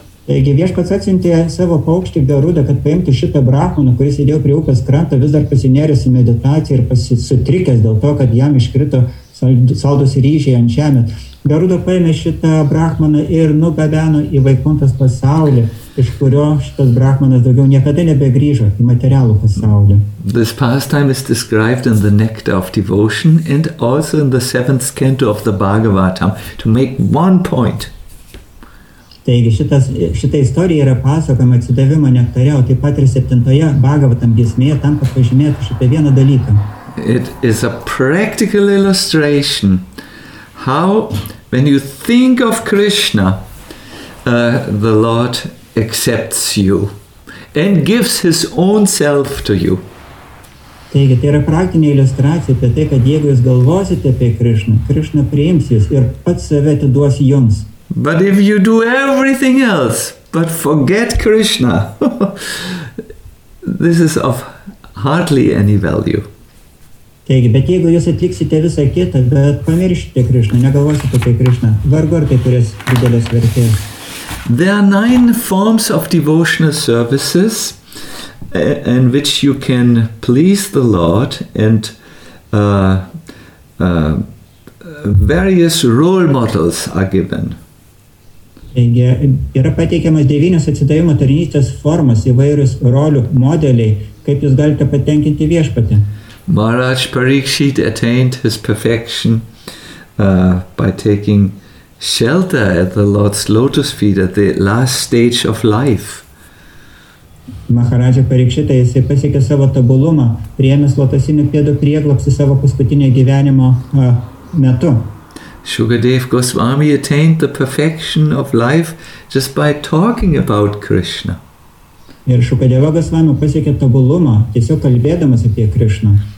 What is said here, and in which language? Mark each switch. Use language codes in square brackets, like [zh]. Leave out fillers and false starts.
[lt] Taigi viešpats atsiuntė savo paukštį Garuda, kad paimtų šitą brahmaną, kuris sėdėjo prie upės kranto, vis dar pasinėrėsi meditaciją ir pasisutrikęs dėl to, kad jam iškrito saldus ryžiai ant žemės. Garuda paėmė šitą brahmaną ir nugabeno į Vaikuntas pasaulį, iš kurio šitas brahmanas daugiau niekada nebegrįžo į materialų pasaulį. [en] This pastime is described in the Nectar of Devotion and also in the seventh canto of the Bhagavatam to make one point. [lt] Taigi šita istorija yra pasakojama atsidavimo nektare, o taip pat ir septintoje Bhagavatam giesmėje tam, kad pažymėtų šitą vieną dalyką. [en] It is a practical illustration how when you think of Krishna, the Lord accepts you and gives his own self to you. [lt] Taigi, tai yra praktinė iliustracija apie tai, kad jeigu jūs galvosite apie Krishna, Krishna priims jūs ir pats save atiduos jums. [en] But if you do everything else but forget Krishna, this is of hardly any value. [lt] Taigi, bet jeigu jūs atliksite visą kitą, bet pamiršite Krišną, negalvosite apie Krišną, vargu ar tai turės didelės vertės. [en] There are 9 forms of devotional services in which you can please the Lord and various role models are given. [lt] Taigi, yra pateikiamas 9 atsidavimo tarnystės formas, įvairius rolių modeliai, kaip jūs galite patenkinti viešpatį. [en] Maharaj Parikshit attained his perfection by taking shelter at the Lord's lotus feet at the last stage of life. [lt] Maharaj Parikshit, jisai pasiekė savo tobulumą, priėmęs lotosinių pėdų prieglobstį savo paskutinio gyvenimo metu. [en] Shukadev Goswami attained the perfection of life just by talking about Krishna. [lt] Ir Shukadeva Goswami pasiekė tobulumą, tiesiog kalbėdamas apie Krishna.